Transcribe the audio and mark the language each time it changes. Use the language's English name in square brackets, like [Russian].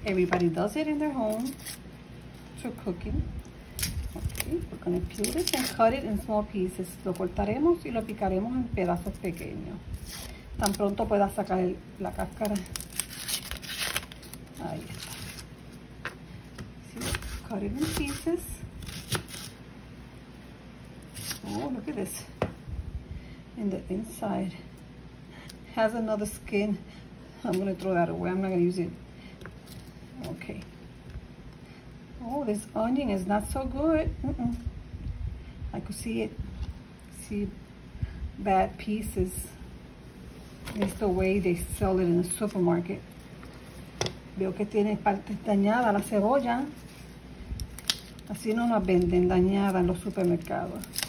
[English] Everybody does it in their home for cooking. Okay, we're going to peel this and cut it in small pieces. [Spanish] Lo cortaremos y lo picaremos en pedazos pequeños. Tan pronto pueda sacar la cáscara. Ahí está. [English] See, cut it in pieces. Oh, look at this. In the inside. Has another skin. I'm going to throw that away. I'm not going to use it. Okay. Oh, this onion is not so good. I could see it. See bad pieces. It's the way they sell it in the supermarket. [Spanish] Veo que tiene partes dañadas la cebolla. Así no la venden dañada en los supermercados.